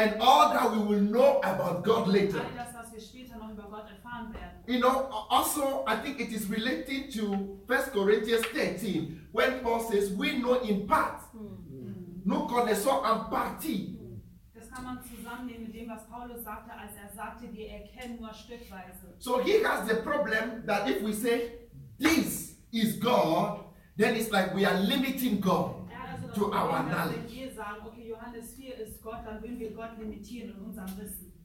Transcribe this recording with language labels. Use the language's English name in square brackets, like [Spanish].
[English] And all that we will know about God later. [German] All das, was wir später noch über Gott erfahren werden. [English] You know, also, I think it is related to 1 Corinthians 13, when Paul says, we know in part. [French] Nous connaissons en partie. [German] Das kann man zusammennehmen mit dem, was Paulus sagte, als er sagte, wir erkennen nur stückweise. [English] So he has the problem that if we say, this is God, then it's like we are limiting God to our knowledge. [German] Wenn wir sagen, okay, Johannes 4 ist Gott, dann würden wir Gott limitieren in unserem Wissen.